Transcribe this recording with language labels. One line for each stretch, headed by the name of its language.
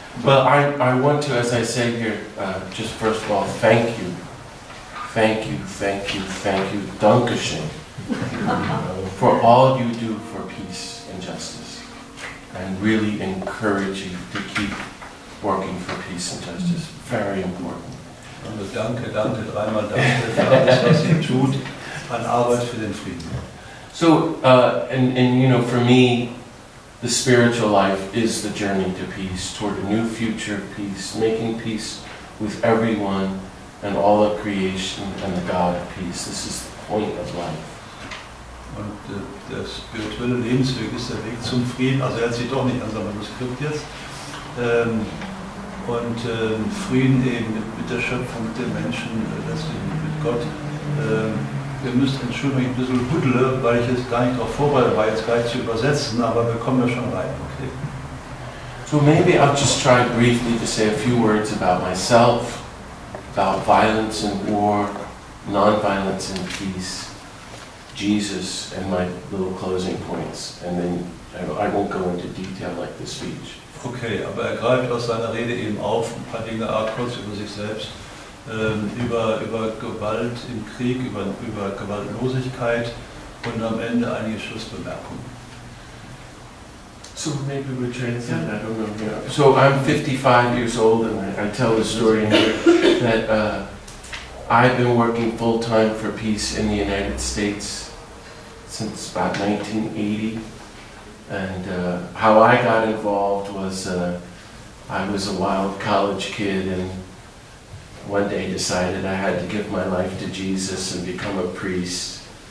English: But I want to, as I said here, just first of all, thank you. Thank you, thank you, thank you, Dankeschön, for all you do for peace and justice. And really encourage you to keep working for peace and justice. Very important.
German: Also danke, danke, dreimal danke für alles, was ihr tut an Arbeit für den Frieden.
English: So, and you know, for me, the spiritual life is the journey to peace, toward a new future of peace, making peace with everyone and all of creation and the God of peace. This is the point of life.
German: Und der spirituelle Lebensweg ist der Weg zum Frieden. Also er hat sich doch nicht an sein Manuskript jetzt. Und Frieden eben mit der Schöpfung, mit den Menschen, mit Gott. Ihr müsst entschuldigen, ich ein bisschen huddle, weil ich jetzt gar nicht darauf vorbereitet war, jetzt gleich zu übersetzen, aber wir kommen ja schon rein, okay?
English: So maybe I'll just try briefly to say a few words about myself, about violence and war, non-violence and peace, Jesus and my little closing points, and then I won't go into detail like the speech.
German: Okay, aber er greift aus seiner Rede eben auf, ein paar Dinge auch kurz über sich selbst. Über Gewalt im Krieg, über Gewaltlosigkeit und am Ende einige Schlussbemerkungen.
English: So maybe we translate. Yeah. I don't know. Yeah. So I'm 55 years old and I tell the story in here that I've been working full time for peace in the United States since about 1980. And how I got involved was I was a wild college kid and one day decided I had to give my life to Jesus and become a priest.